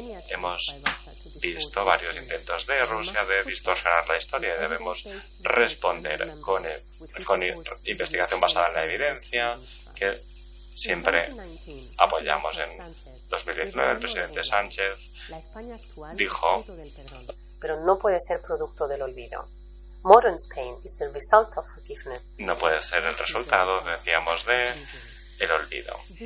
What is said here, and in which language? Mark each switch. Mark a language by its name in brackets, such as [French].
[Spanish] Hemos visto varios intentos de Rusia de distorsionar la historia y debemos responder con investigación basada en la evidencia que siempre apoyamos. En 2019, el presidente Sánchez dijo: pero no puede ser producto del olvido. [English] Modern Spain is the result of forgiveness. [Spanish] No puede ser el resultado, decíamos, de el olvido.